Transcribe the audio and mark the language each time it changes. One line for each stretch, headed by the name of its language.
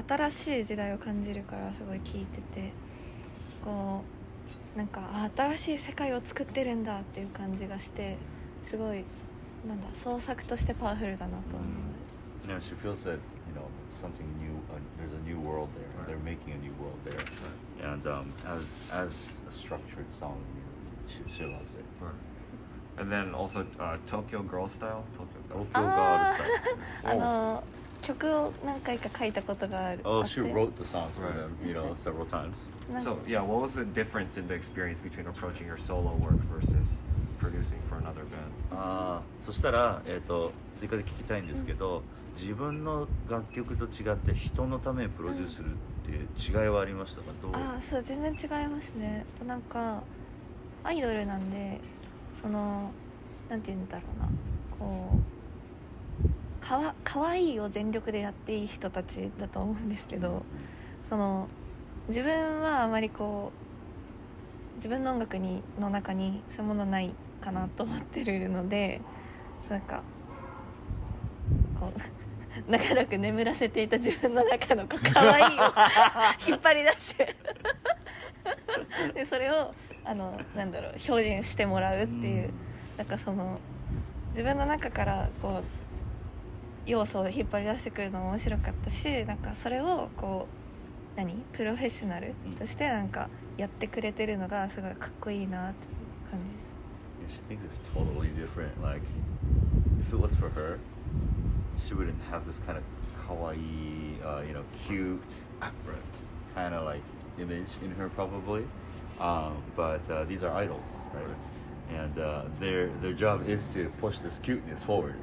Japanese: 新しい時代を感じるからすごい聞いてて、こうなんか新しい世界を作ってるんだっていう感じがして。すごい、なんだ、創作としてパワフルだなと思う。
English: Mm. You know, she feels that, you know, something new, there's a new world there, right. They're making a new world there. Right. And as a structured song, you know, she loves it. Right. And then also, Tokyo Girl Style? Tokyo Girl Style.
Japanese: あの、曲を何回か書いたことがある。
English: Oh, she wrote the songs for them, you know, several times. So, yeah, what was the difference in the experience between approaching your solo work versus producing for another band?
Japanese: Ah, そしたら、追加で聞きたいんですけど、自分の楽曲と違って人のためにプロデュースするっていう違いはありましたか？どう？ああ、そう、全然違いますね。なんかアイドルなんで、そのなんて言うんだろうな、こう かわいいを全力でやっていい人たちだと思うんですけど、その自分はあまりこう自分の音楽にの中にそういうものないかなと思ってるので、なんか長らく眠らせていた自分の中の可愛いを引っ張り出してでそれをあのなんだろう表現してもらうっていう、なんかその自分の中からこう要素を引っ張り出してくるのも面白かったし、なんかそれをこう何プロフェッショナルとしてなんかやってくれてるのがすごいかっこいいなって感じ。
English: She thinks it's totally different. Like if it was for herShe wouldn't have this kind of kawaii, you know, cute, kind of like image in her probably. But these are idols, right? And their job is to push this cuteness forward.